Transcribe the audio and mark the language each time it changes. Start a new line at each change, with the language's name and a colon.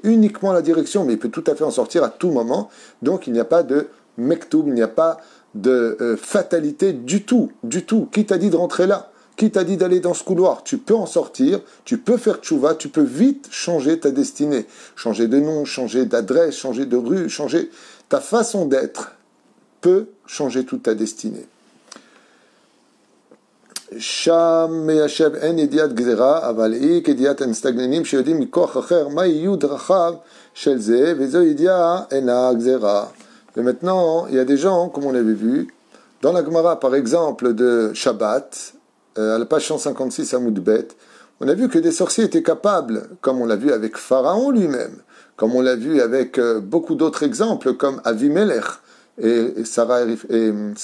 French: Uniquement la direction, mais il peut tout à fait en sortir à tout moment. Donc, il n'y a pas de mektoub, il n'y a pas de fatalité du tout, du tout. Qui t'a dit de rentrer là? Qui t'a dit d'aller dans ce couloir? Tu peux en sortir, tu peux faire tchouva, tu peux vite changer ta destinée. Changer de nom, changer d'adresse, changer de rue, changer ta façon d'être peut changer toute ta destinée.
Hebrew: שם מיישב אין ידיעת גזירה, אבל היא כידיעת המסתגננים שיודעים מכוח אחר מה יהיו דרכיו של זה, וזו ידיעה אינה גזירה.
French: ומתנון, il y a des gens, comme on avait vu, dans la Gemara, par exemple, de Shabbat, à la page 156 à Moudbet, on a vu que des sorciers étaient capables, comme on l'a vu avec Pharaon lui-même, comme on l'a vu avec beaucoup d'autres exemples, comme Avimelech et Sarah et